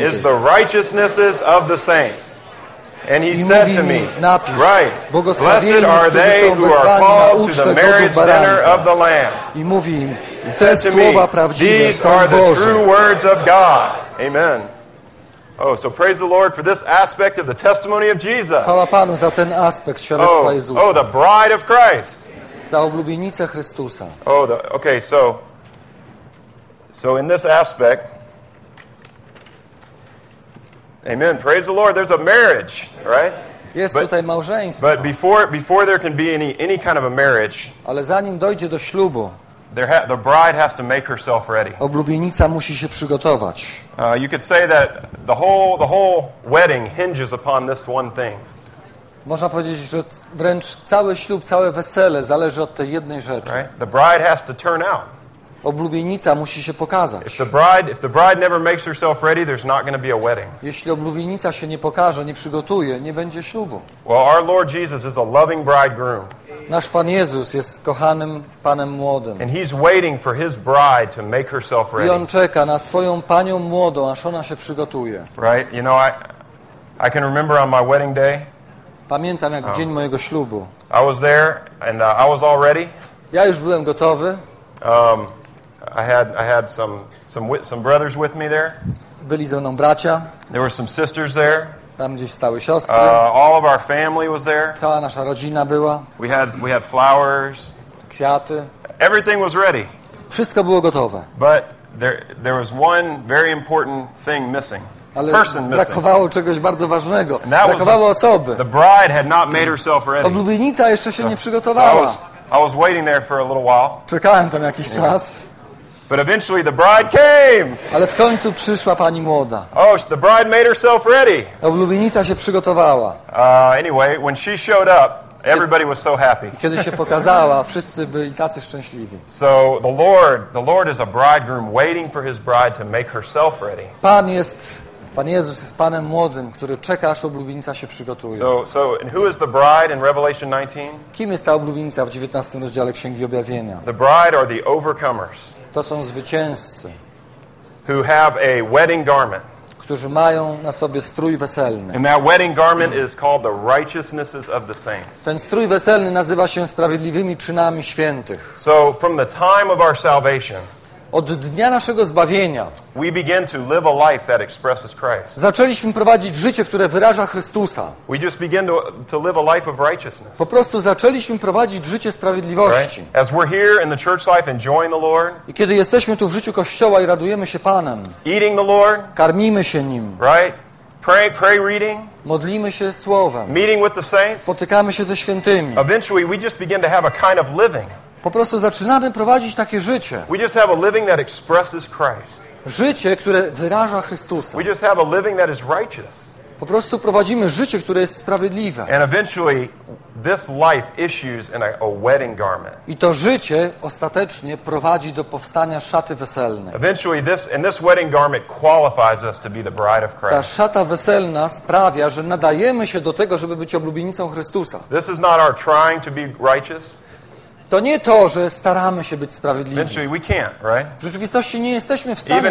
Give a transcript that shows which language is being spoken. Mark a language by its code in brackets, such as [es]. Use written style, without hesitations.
[en] is the righteousnesses of the saints. And he said to me, right, blessed are they who are called to the marriage dinner of the Lamb. He said to me, these are the true words of God. Amen. Oh, so praise the Lord for this aspect of the testimony of Jesus. [pl] Chwała Panu za ten aspekt świadectwa Jezusa. [en] Oh, the bride of Christ. [pl] Za oblubienicę Chrystusa. [en] Oh, the, okay, so in this aspect, amen, praise the Lord, there's a marriage, right? [pl] Jest tutaj małżeństwo. [en] But before there can be any kind of a marriage, [pl] ale zanim dojdzie do ślubu, [en] the bride has to make herself ready. [pl] Oblubienica musi się przygotować. [en] You could say that the whole wedding hinges upon this one thing. [pl] Można powiedzieć, że wręcz cały ślub, całe wesele zależy od tej jednej rzeczy. [en] Right? The bride has to turn out. [pl] Oblubienica musi się pokazać. [en] If the bride never makes herself ready, there's not going to be a wedding. [pl] Jeśli oblubienica się nie pokaże, nie przygotuje, nie będzie ślubu. [en] Well, our Lord Jesus is a loving bridegroom. [pl] Nasz Pan Jezus jest kochanym Panem Młodym. [en] And he's waiting for his bride to make herself ready. [pl] I on czeka na swoją Panią Młodą, aż ona się przygotuje. [en] Right? You know, I can remember on my wedding day. [pl] Pamiętam, jak w dzień mojego ślubu. [en] I was there and I was all ready. [pl] Ja już byłem gotowy. [en] I had some brothers with me there. [pl] Byli ze mną bracia. [en] There were some sisters there. [pl] Tam gdzieś stały siostry. [en] All of our family was there. [pl] Cała nasza rodzina była. [en] We had flowers. [pl] Kwiaty. [en] Everything was ready. [pl] Wszystko było gotowe. [en] But there was one very important thing missing. [pl] Ale person brakowało missing. Czegoś bardzo ważnego. Brakowało osoby. [en] The bride had not made herself ready. [pl] Oblubienica jeszcze się nie przygotowała. [en] I was waiting there for a little while. [pl] Czekałem tam jakiś czas. [en] But eventually the bride came. [pl] Ale w końcu przyszła pani młoda. [en] Oh, the bride made herself ready. [pl] Oblubienica się przygotowała. [en] Anyway, when she showed up, everybody was so happy. [pl] Kiedy się pokazała, wszyscy byli tacy szczęśliwi. [en] So the Lord is a bridegroom waiting for his bride to make herself ready. [pl] Pan Jezus jest Panem Młodym, który czeka, aż oblubienica się przygotuje. [en] So and who is the bride in Revelation 19? [pl] Kim jest ta oblubienica w 19 rozdziale Księgi Objawienia? [en] The bride are the overcomers. [pl] To są zwycięzcy. [en] Who have a wedding garment. [pl] Którzy mają na sobie strój weselny. [en] And that wedding garment is called the righteousnesses of the saints. [pl] Ten strój weselny nazywa się sprawiedliwymi czynami świętych. [en] So from the time of our salvation, [pl] od dnia naszego zbawienia [en] we begin to live a life that expresses Christ. [pl] Zaczęliśmy prowadzić życie, które wyraża Chrystusa. [en] We just begin to live a life of righteousness. [pl] Po prostu zaczęliśmy prowadzić życie sprawiedliwości. [en] Right? As we're here in the church life enjoying the Lord, [pl] i kiedy jesteśmy tu w życiu Kościoła i radujemy się Panem, [en] eating the Lord, [pl] karmimy się Nim, [en] right? Pray reading, [pl] modlimy się Słowem, [en] meeting with the saints, [pl] spotykamy się ze świętymi. [en] Eventually we just begin to have a kind of living. [pl] Po prostu zaczynamy prowadzić takie życie. [en] We just have a living that expresses Christ. [pl] Życie, które wyraża Chrystusa. [en] We just have a living that is righteous. [pl] Po prostu prowadzimy życie, które jest sprawiedliwe. [en] And eventually this life issues in a wedding garment. [pl] I to życie ostatecznie prowadzi do powstania szaty weselnej. [en] Eventually this wedding garment qualifies us to be the bride of Christ. [pl] Ta szata weselna sprawia, że nadajemy się do tego, żeby być oblubienicą Chrystusa. [en] This is not our trying to be righteous. [pl] To nie to, że staramy się być sprawiedliwi. [en] We can't, right? [pl] W rzeczywistości nie jesteśmy w stanie